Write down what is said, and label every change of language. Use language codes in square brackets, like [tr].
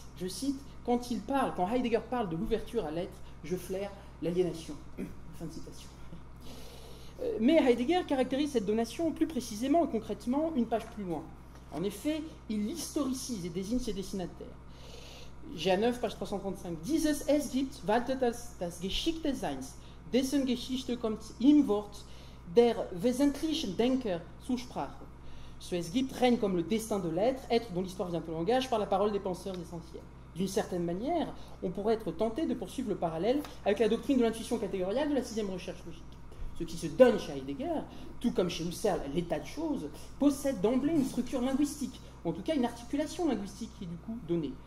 [fr] Je cite « Quand il parle, quand Heidegger parle de l'ouverture à l'être, je flaire l'aliénation. » Fin de citation. Mais Heidegger caractérise cette donation plus précisément et concrètement une page plus loin. En effet, il historicise et désigne ses destinataires. GA 9, page 335. [de] Dieses es gibt, waltet als das Geschicht des Seins, dessen Geschichte kommt im Wort der wesentlichen Denker zur Sprache. [fr] Ce [de] es gibt [fr] règne comme le destin de l'être, être dont l'histoire vient au langage par la parole des penseurs essentiels. D'une certaine manière, on pourrait être tenté de poursuivre le parallèle avec la doctrine de l'intuition catégoriale de la sixième recherche logique. Ce qui se donne chez Heidegger, tout comme chez Husserl, l'état de choses, possède d'emblée une structure linguistique, ou en tout cas une articulation linguistique qui est du coup donnée.